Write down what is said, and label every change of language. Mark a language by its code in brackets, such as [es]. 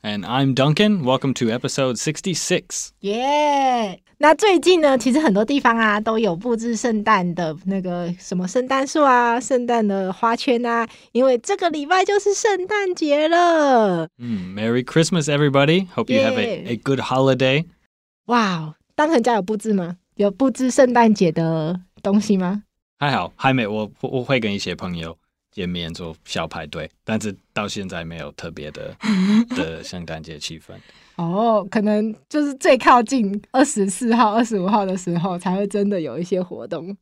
[en] And I'm Duncan. Welcome to episode 66. Yeah. [zh] 那最近呢，其实很多地方啊都有布置圣诞的那个什么圣诞树啊，圣诞的花圈啊，因为这个礼拜就是圣诞节了。 [en] Merry Christmas, everybody. Hope you have a good holiday. [zh] Wow. 当成家有布置吗？有布置圣诞节的东西吗？还好，还没。我会跟一些朋友见面做小派对，但是到现在没有特别的圣诞节气氛。哦，可能就是最靠近24号、25号的时候才会真的有一些活动。